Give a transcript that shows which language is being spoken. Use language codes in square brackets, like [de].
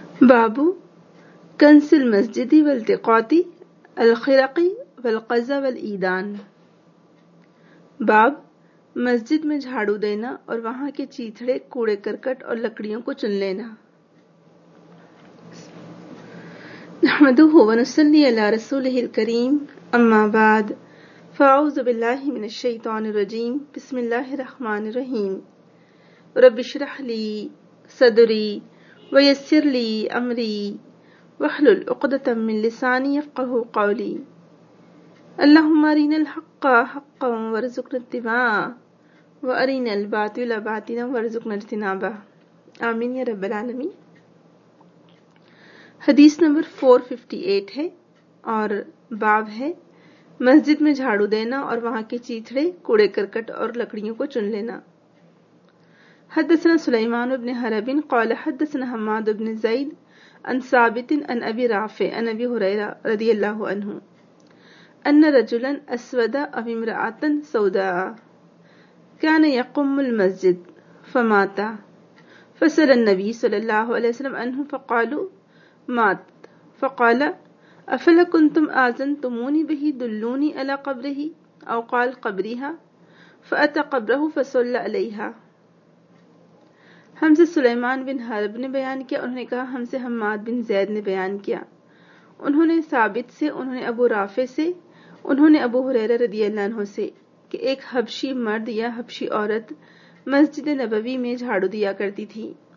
[ar] باب کنس المسجد والتقاط الخرق والقذا والایدان. [ur] باب مسجد میں جھاڑو دینا اور وہاں کے چیتھڑے کوڑے کرکٹ اور لکڑیوں کو چن لینا. [ar] نحمدہ ونصلی علی رسولہ الکریم اما بعد فاعوذ باللہ من الشیطان الرجیم بسم اللہ الرحمن الرحیم رب اشرح لی صدری ویسر لی امری واحلل عقدۃ من لسانی یفقہوا قولی. اللہم ارنا الحق حقا وارزقنا اتباعہ وارنا الباطل باطلا وارزقنا اجتنابہ. آمین یا رب العالمین. [ur] حدیث نمبر 458 ہے اور باب ہے مسجد میں جھاڑو دینا اور وہاں کے چیتھڑے کوڑے کرکٹ اور لکڑیوں کو چن لینا. [ar] حدثنا سلیمان بن حرب قال حدثنا حماد بن زید عن ثابت عن ابی رافع عن ابی ہریرہ رضی اللہ عنہ ان رجلا اسود او امرأة سوداء كان يقوم المسجد فمات فسأل النبي صلى الله عليه وسلم عنه فقالوا مات فقال افلا كنتم اذنتموني به دلوني على قبره او قال قبرها فاتى قبره فصلى عليها. [ur] ہم سے سلیمان بن حرب نے بیان کیا, انہوں نے کہا ہم سے حماد بن زید نے بیان کیا, انہوں نے ثابت سے, انہوں نے ابو رافع سے, انہوں نے ابو ہریرہ رضی اللہ عنہ سے کہ ایک حبشی مرد یا حبشی عورت مسجد نبوی میں جھاڑو دیا کرتی تھی.